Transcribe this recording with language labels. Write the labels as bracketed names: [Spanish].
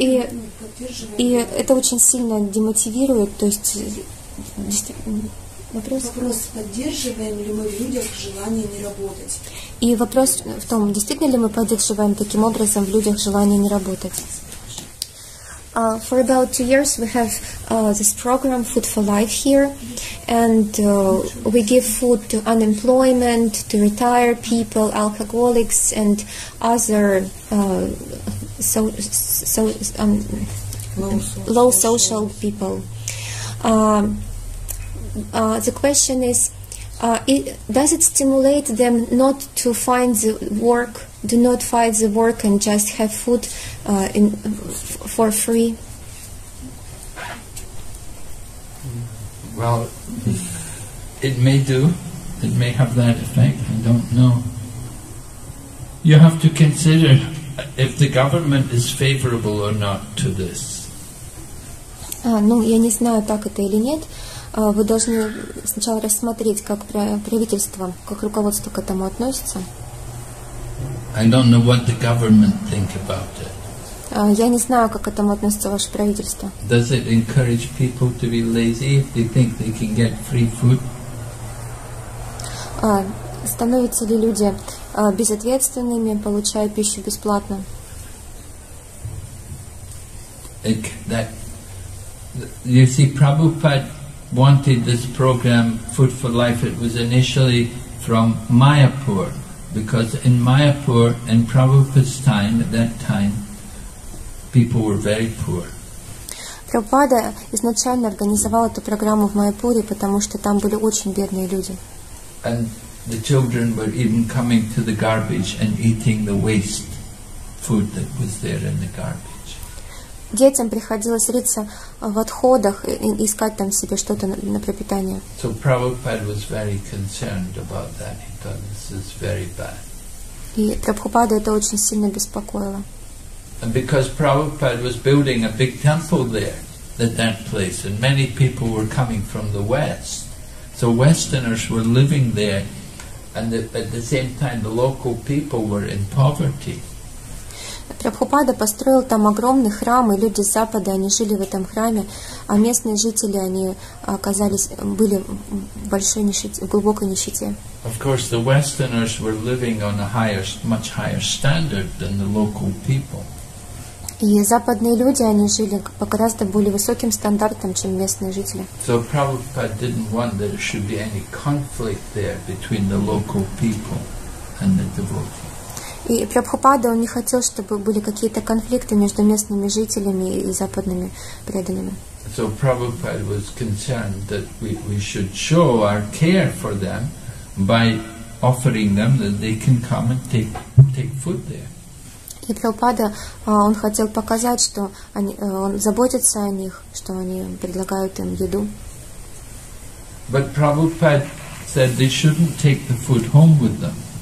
[Russian] вопрос, и это очень сильно демотивирует. То есть, вопрос, поддерживаем ли мы в людях желание не работать? И вопрос в том, действительно ли мы поддерживаем таким образом в людях желание не работать? [English] For about 2 years, we have this program Food for Life here, and we give food to unemployment, to retired people, alcoholics, and other low social people. The question is, does it stimulate them not to find the work do not fight the work and just have food in for free. Well, it may do. It may have that effect. I don't know. You have to consider if the government is favorable or not to this. [Russian] Ну, я не знаю, так это или нет. Вы должны сначала рассмотреть, как правительство, как руководство к этому относится. [English] I don't know what the government think about it. [Russian] Я не знаю, как к этому относится ваше правительство. [English] Does it encourage people to be lazy if they think they can get free food? [Russian] Становятся ли люди безответственными, получая пищу бесплатно? [English] You see, Prabhupada wanted this program, Food for Life. It was initially from Mayapur, because in Mayapur, in Prabhupada's time, at that time, people were very poor. [Russian] Prabhupada изначально организовал эту программу в Майяпуре, потому что там были очень бедные люди. [English] And the children were even coming to the garbage and eating the waste food that was there in the garbage. [Russian] Детям приходилось рыться в отходах и искать там себе что-то на пропитание. [English] So Prabhupada was very concerned about that. He thought this is very bad. [Russian] И Прабхупада это очень сильно беспокоило. [English] And because Prabhupada was building a big temple there, at that place, and many people were coming from the West, so Westerners were living there, and at the same time the local people were in poverty. [Russian] Прабхупада построил там огромный храм, и люди с Запада, они жили в этом храме, а местные жители, они оказались, были в большой нищете, в глубокой нищете. [English] Of course, the Westerners were living on a higher, much higher standard than the local people. [Russian] И западные люди, они жили по гораздо более высоким стандартам, чем местные жители. [English] So Prabhupada didn't want there should be any conflict there between the local people and the devotees. [Russian] И Прабхупада, он не хотел, чтобы были какие-то конфликты между местными жителями и западными преданными. [English] So Prabhupada was concerned that we should show our care for them by offering them that they can come and take food there. [Russian] И Прабхупада, он хотел показать, что они, он заботится о них, что они предлагают им еду. [English] But Prabhupada said they shouldn't take the food home with them.